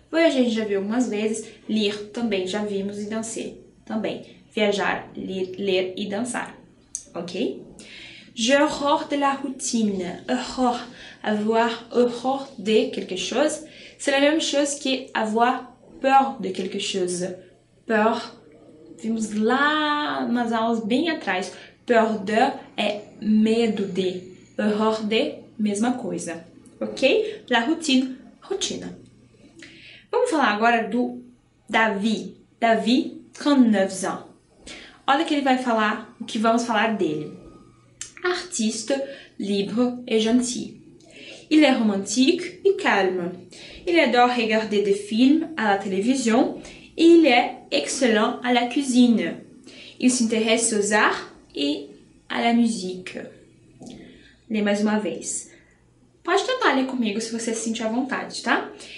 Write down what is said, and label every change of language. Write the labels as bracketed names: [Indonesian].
[Portuguese] Voyager a gente já viu algumas vezes, lire também já vimos e danser também. Viajar, ler e dançar, ok? [French] J'ai horreur de la routine. Horreur, avoir horreur de quelque chose. C'est la même chose que avoir peur de quelque chose. [Portuguese] Peur, vimos lá nas aulas bem atrás. Peur de é medo de. Horror de, mesma coisa, ok? La routine, rotina. Vamos falar agora do Davi. Davi, 39 ans. Olha que ele vai falar, o que vamos falar dele. [French] Artista, libre e gentil. Il est romantique e calme. Il adore regarder des films à la télévision et il est excellent à la cuisine. Il s'intéresse aux arts et à la musique. [Portuguese] Ler mais uma vez. Pode tentar ler comigo se você se sentir à vontade, tá?